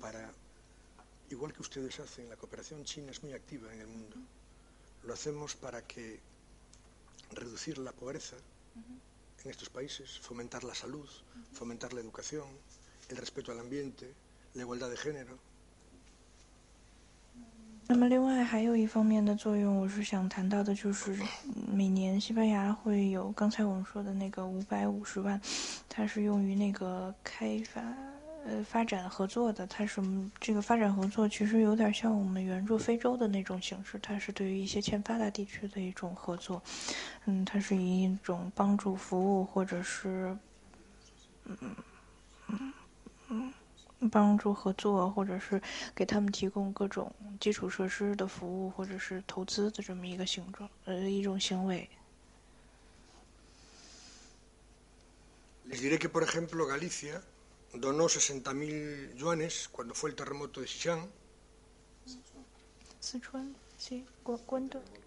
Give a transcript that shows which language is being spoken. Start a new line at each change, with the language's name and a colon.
Spanish: Para, igual que ustedes hacen, la cooperación china es muy activa en el mundo. Lo hacemos para que reducir la pobreza en estos países, fomentar la salud, fomentar la educación, el respeto al ambiente, la igualdad de género.
Chinese: 那么另外还有一方面的作用，我是想谈到的，就是每年西班牙会有刚才我们说的那个550万，它是用于那个开发发展合作的。它是这个发展合作其实有点像我们援助非洲的那种形式，它是对于一些欠发达地区的一种合作。它是以一种帮助服务或者是帮助合作，或者是给他们提供各种基础设施的服务，或者是投资的这么一个形状，一种行为。
Spanish: Les diré que, por ejemplo, Galicia donó 60,000 yuanes cuando fue el terremoto de Xi'an. 四川 sí, ¿cuánto?